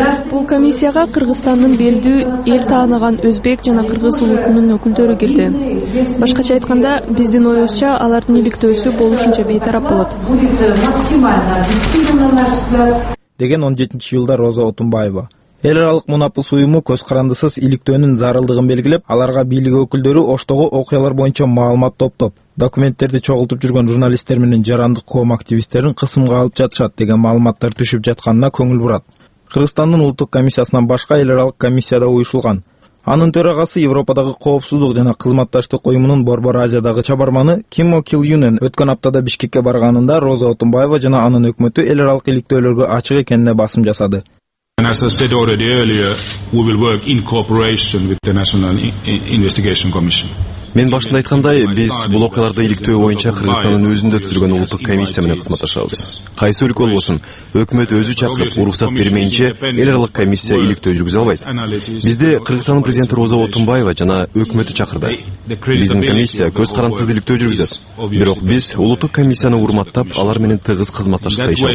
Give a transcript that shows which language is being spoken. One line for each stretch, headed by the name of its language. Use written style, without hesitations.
Kyrgyz: Бул комиссияга Кыргызстандын белдүү эл тааныган өзбек жана кыргыз улутунун өкүлдөрү келди. Башкача айтканда, биздин оюбузча алардын иликтөөсү болушунча бейтарап болот. Деген 17-июлда Роза Отунбаева. Эл аралык мунапыс уюму көз карандысыз иликтөөнүн зарылдыгын белгилеп, аларга бийлик өкүлдөрү Оштогу окуялар боюнча маалымат топтоп, документтерди чогултуп жүргөн журналисттер менен жарандык коом активисттерин кысымга алып жатышат деген маалыматтар түшүп жатканына көңүл бурат. Кыргызстандын улуттук комиссиясынан башка эл аралык комиссия да уюшулган. Анын төрагасы Европадагы коопсуздук жана кызматташтык уюмунун Борбор Азиядагы чабарманы Ким О Кил Юнен өткөн аптада Бишкекке барганында Роза Отунбаева жана анын өкмөтү эл аралык иликтөөлөргө ачык экенине басым жасады.
English: And as I said already earlier, we will work in cooperation with the National Investigation Commission.
Kyrgyz: Мен башында айткандай, биз бул окуяларды иликтөө боюнча Кыргызстандын өзүндө түзүлгөн улуттук комиссия менен кызматташабыз. Кайсы өлкө болбосун, өкмөт өзү чакырып уруксат бермейинче эл аралык комиссия иликтөө жүргүзө албайт. Бизди Кыргызстандын президенти Роза Отунбаева жана өкмөтү чакырды. Биздин комиссия көз карандысыз иликтөө жүргүзөт. Бирок биз улуттук комиссияны урматтап, алар менен тыгыз кызматташышка